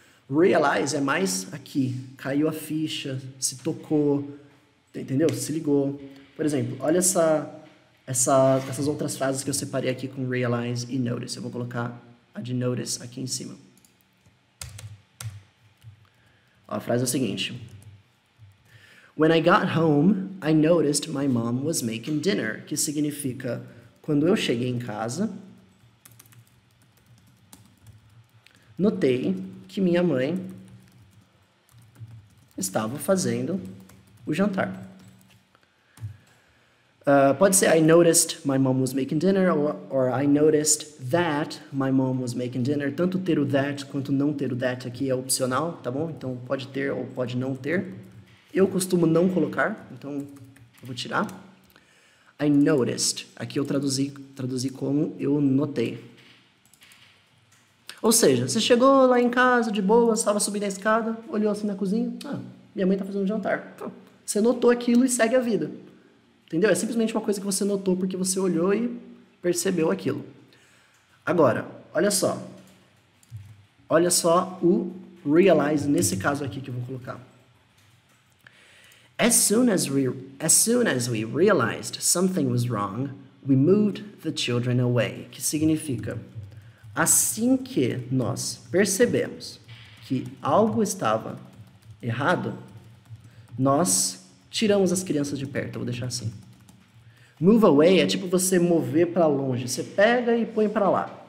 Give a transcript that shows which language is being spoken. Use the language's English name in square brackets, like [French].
[Portuguese] Realize é mais aqui, caiu a ficha, se tocou, entendeu? Se ligou. Por exemplo, olha essas outras frases que eu separei aqui com realize e notice. Eu vou colocar a de notice aqui em cima. A frase é a seguinte. [English] When I got home, I noticed my mom was making dinner. [Portuguese] Que significa, quando eu cheguei em casa, notei que minha mãe estava fazendo o jantar. Pode ser [English] I noticed my mom was making dinner or I noticed that my mom was making dinner. [Portuguese] Tanto ter o that quanto não ter o that aqui é opcional, tá bom? Então pode ter ou pode não ter. Eu costumo não colocar, então eu vou tirar. [English] I noticed. [Portuguese] Aqui eu traduzi como eu notei. Ou seja, você chegou lá em casa de boa, estava subindo a escada, olhou assim na cozinha. Ah, minha mãe está fazendo jantar. Ah, você notou aquilo e segue a vida. Entendeu? É simplesmente uma coisa que você notou porque você olhou e percebeu aquilo. Agora, olha só. Olha só o realize nesse caso aqui que eu vou colocar. [English] As soon as we realized something was wrong, we moved the children away. [Portuguese] Que significa, assim que nós percebemos que algo estava errado, nós tiramos as crianças de perto. Eu vou deixar assim. Move away é tipo você mover para longe. Você pega e põe para lá.